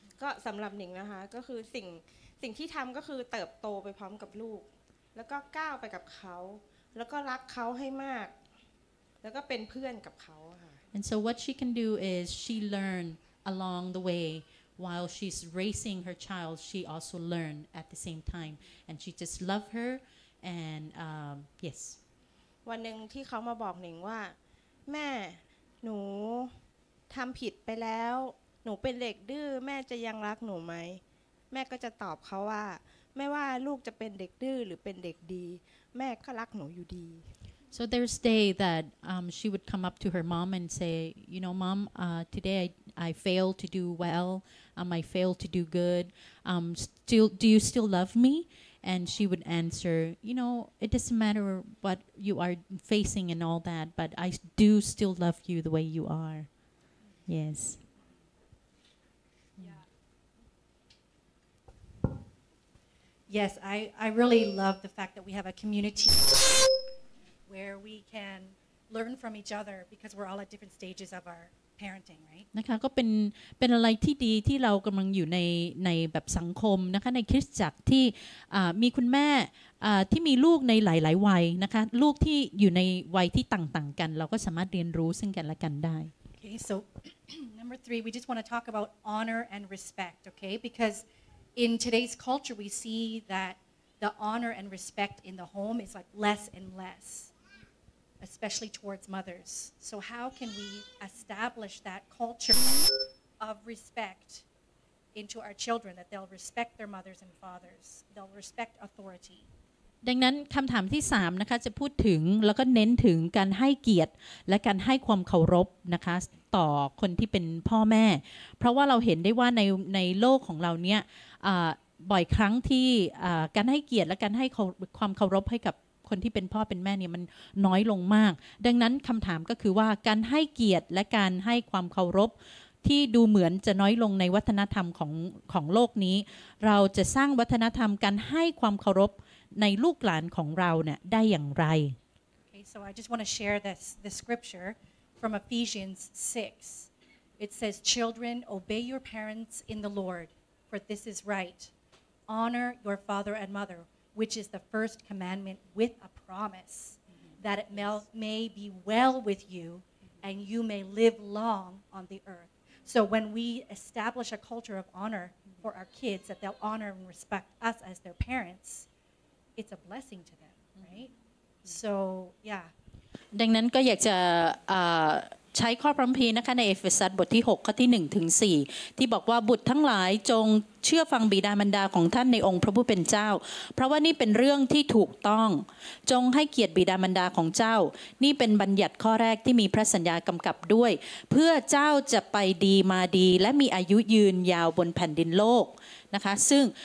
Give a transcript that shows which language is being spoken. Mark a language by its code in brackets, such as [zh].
[th] ก็สำหรับหนิงนะคะก็คือสิ่งที่ทำก็คือเติบโตไปพร้อมกับลูกแล้วก็ก้าวไปกับเขาแล้วก็รักเขาให้มากแล้วก็เป็นเพื่อนกับเขาค่ะ [en] And so what she can do is she learn along the way while she's raising her child she also learn at the same time and she just love her and yes [th] วันหนึ่งที่เขามาบอกหนิงว่าแม่หนูทำผิดไปแล้วหนูเป็นเด็กดื้อแม่จะยังรักหนูไหมแม่ก็จะตอบเขาว่าไม่ว่าลูกจะเป็นเด็กดื้อหรือเป็นเด็กดีแม่ก็รักหนูอยู่ดี [en] So there's day that she would come up to her mom and say you know mom today I failed to do well I failed to do good still do you still love me and she would answer you know it doesn't matter what you are facing and all that but I do still love you the way you are yes Yes, I really love the fact that we have a community where we can learn from each other because we're all at different stages of our parenting, right? [th] นะคะก็เป็นอะไรที่ดีที่เรากำลังอยู่ในแบบสังคมนะคะในคริสตจักรที่มีคุณแม่ที่มีลูกในหลายๆวัยนะคะลูกที่อยู่ในวัยที่ต่างๆกันเราก็สามารถเรียนรู้ซึ่งกันและกันได้ [en] Okay, so number three, we just want to talk about honor and respect, okay? Because in today's culture, we see that the honor and respect in the home is like less and less. Especially towards mothers. So how can we establish that culture of respect into our children, that they'll respect their mothers and fathers, they'll respect authority? [th] ดังนั้นคำถามที่3นะคะจะพูดถึงแล้วก็เน้นถึงการให้เกียรติและการให้ความเคารพนะคะต่อคนที่เป็นพ่อแม่เพราะว่าเราเห็นได้ว่าในโลกของเราเนี้ย บ่อยครั้งที่การให้เกียรติและการให้ความเคารพให้กับคนที่เป็นพ่อเป็นแม่เนี่ยมันน้อยลงมากดังนั้นคำถามก็คือว่าการให้เกียรติและการให้ความเคารพที่ดูเหมือนจะน้อยลงในวัฒนธรรมของโลกนี้เราจะสร้างวัฒนธรรมการให้ความเคารพในลูกหลานของเราเนี่ยได้อย่างไร [en] Okay so I just want to share the scripture from Ephesians 6 It says children obey your parents in the Lord for this is right honor your father and motherwhich is the first commandment with a promise that it may be well with you and you may live long on the earth. So when we establish a culture of honor for our kids, that they'll honor and respect us as their parents, it's a blessing to them, right? So, yeah. [th] ดังนั้นก็อยากจะใช้ข้อพระคัมภีร์นะคะในเอเฟซัสบทที่6ข้อที่1ถึง4ที่บอกว่าบุตรทั้งหลายจงเชื่อฟังบิดามารดาของท่านในองค์พระผู้เป็นเจ้าเพราะว่านี่เป็นเรื่องที่ถูกต้องจงให้เกียรติบิดามารดาของเจ้านี่เป็นบัญญัติข้อแรกที่มีพระสัญญากำกับด้วยเพื่อเจ้าจะไปดีมาดีและมีอายุยืนยาวบนแผ่นดินโลกนะคะซึ่ง